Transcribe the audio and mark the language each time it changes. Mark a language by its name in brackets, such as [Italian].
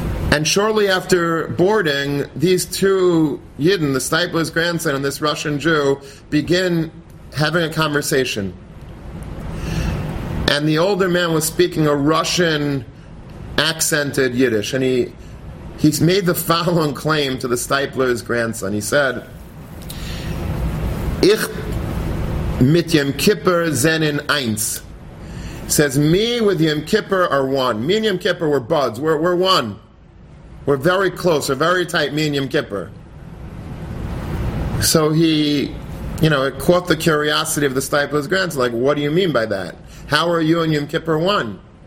[English] And shortly after boarding, these two Yidden, the Stipler's grandson and this Russian Jew, begin having a conversation. And the older man was speaking a Russian-accented Yiddish. And he made the following claim to the Stipler's grandson. He said, [Yiddish] Ich mit Yom Kippur zenin eins. [English] Says, me with Yom Kippur are one. Me and Yom Kippur, we're buds. We're one. We're very close. We're very tight, me and Yom Kippur. So he, you know, it caught the curiosity of the Stipler's grandson. Like, what do you mean by that? How are you and Yom Kippur one?